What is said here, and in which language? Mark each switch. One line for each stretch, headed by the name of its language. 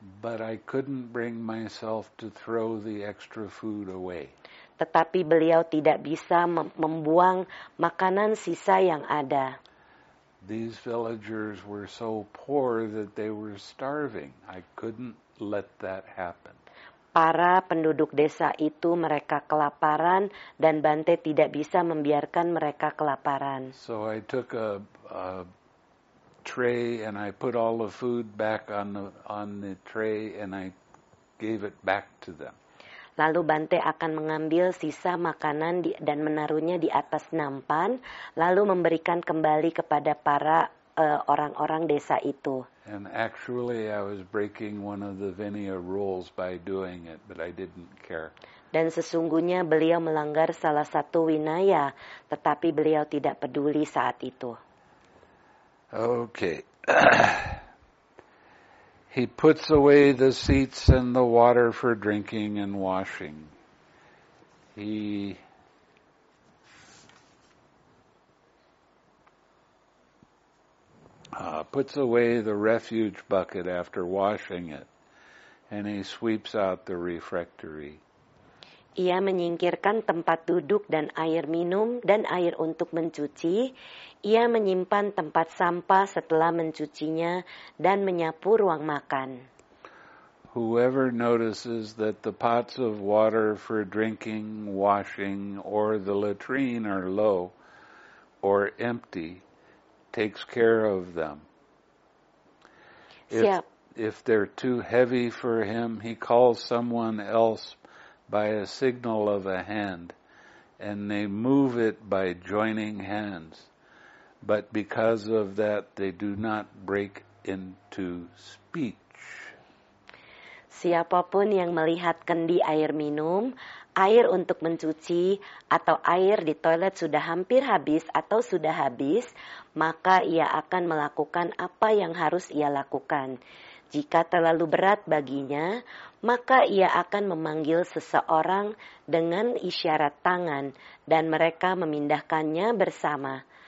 English: But I couldn't bring myself to throw the extra food away.
Indonesian: tetapi beliau tidak bisa membuang makanan sisa yang ada.
English: These villagers were so poor that they were starving. I couldn't let that happen.
Indonesian: Para penduduk desa itu mereka kelaparan dan Bante tidak bisa membiarkan mereka kelaparan.
English: So I took a tray and I put all the food back on the tray and I gave it back to them.
Indonesian: Lalu Bante akan mengambil sisa makanan dan menaruhnya di atas nampan, lalu memberikan kembali kepada para orang-orang desa itu.
English: And actually I was breaking one of the Vinaya rules by doing it, but I didn't care.
Indonesian: Dan sesungguhnya beliau melanggar salah satu Vinaya, tetapi beliau tidak peduli saat itu.
English: Okay. He puts away the seats and the water for drinking and washing. He puts away the refuge bucket after washing it, and he sweeps out the refectory.
Indonesian: Ia menyingkirkan tempat duduk dan air minum dan air untuk mencuci. Ia menyimpan tempat sampah setelah mencucinya dan menyapu ruang makan.
English: Whoever notices that the pots of water for drinking, washing, or the latrine are low or empty, takes care of them. If they're too heavy for him, he calls someone else by a signal of a hand, and they move it by joining hands. But because of that, they do not break into speech.
Indonesian: Siapapun yang melihat kendi air minum, air untuk mencuci, atau air di toilet sudah hampir habis atau sudah habis, maka ia akan melakukan apa yang harus ia lakukan. Jika terlalu berat baginya, maka ia akan memanggil seseorang dengan isyarat tangan dan mereka memindahkannya bersama.